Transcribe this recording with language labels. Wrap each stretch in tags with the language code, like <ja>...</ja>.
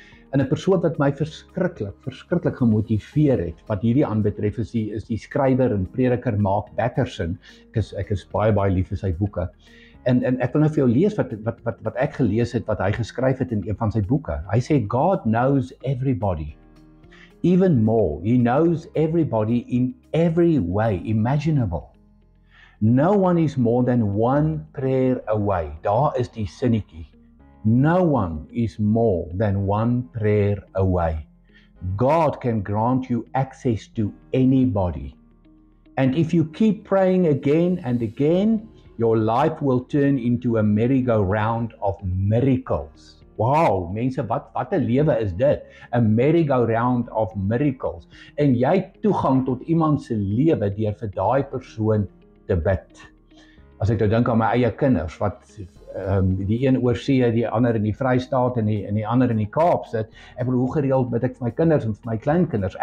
<af>En 'n persoon wat my verskriklik gemotiveer het wat hierdie aanbetref is die skrywer en prediker maak Patterson. Ek is baie lief vir sy boeke. En ek wil nou vir jou lees wat ek gelees het wat hy geskryf het in een van sy boeke. Hy sê</af> <en>God knows everybody. Even more, he knows everybody in every way imaginable. No one is more than one prayer away.</en> <af>Daar is die sinnetjie.</af> <en>No one is more than one prayer away. God can grant you access to anybody. And if you keep praying again and again, your life will turn into a merry-go-round of miracles.</en> <af>Wow, mense, wat 'n lewe is dit?</af> <en>A merry-go-round of miracles.</en> <af>En jy toegang tot iemand se lewe deur vir daai persoon te bid. As ek nou dink aan my eie kinders, wat die een oor see, die ander in die Vrystaat en die ander in die Kaap sit, ek bedoel, hoe gereeld bid ek vir my kinders en vir my kleinkinders?</af>